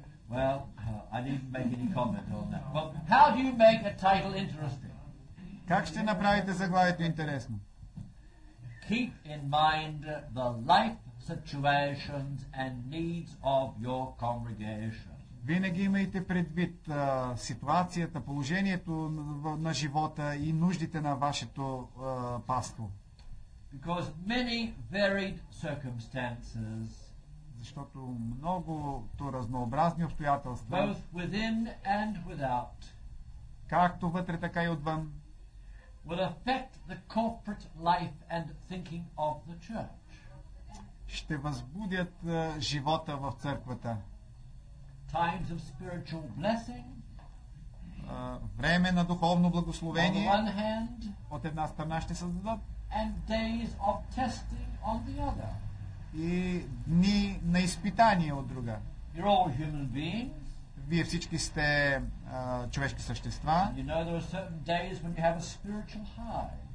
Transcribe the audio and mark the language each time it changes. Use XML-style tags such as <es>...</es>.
<en>Well, I didn't make any comment on that. Well, how do you make a title interesting?</en> <bg>Как ще направите заглавието интересно?</bg> <en>Keep in mind the life situations and needs of your congregation.</en> <bg>Винаги имайте предвид ситуацията, положението на живота и нуждите на вашето паство.</bg> <en>Because many varied circumstances.</en> <bg>Защото много разнообразни обстоятелства,</bg> <en>both within and without,</en> <bg>както вътре, така и отвън,</bg> <en>will affect the corporate life and thinking of the church.</en> <bg>Ще възбудят живота в църквата.</bg> <en>Times of spiritual blessing,</en> <bg>време на духовно благословение,</bg> <en>on the one hand,</en> <bg>от една страна ще създадат,</bg> <en>and days of testing on the other.</en> <bg>И дни на изпитание от друга.</bg> <en>You're all human beings.</en> <bg>Вие всички сте човешки същества.</bg> <en>You know there are certain days when you have a spiritual high.</en>